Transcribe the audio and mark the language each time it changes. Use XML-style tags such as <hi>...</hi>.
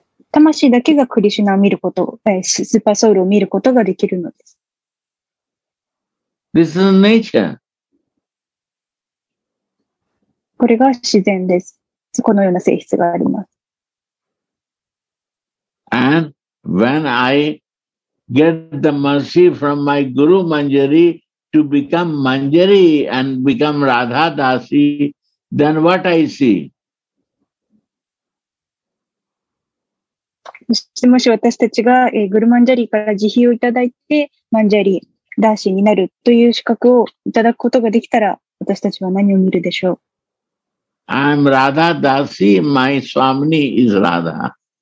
<ja>魂だけがクリシュナを見ること、スーパーソウルを見ることができるのです。</ja> <en>This is nature.</en> <ja>これが自然です。このような性質があります。</ja> <en>And when I get the mercy from my Guru Manjari to become Manjari and become Radha Dasi, then what I see?</en> <ja>そしてもし私たちがグルマンジャリーから慈悲をいただいてマンジャリーダーシーになるという資格をいただくことができたら私たちは何を見るでしょう。</ja> <en>I'm Radha Dasi. My Swamini is Radha.</en>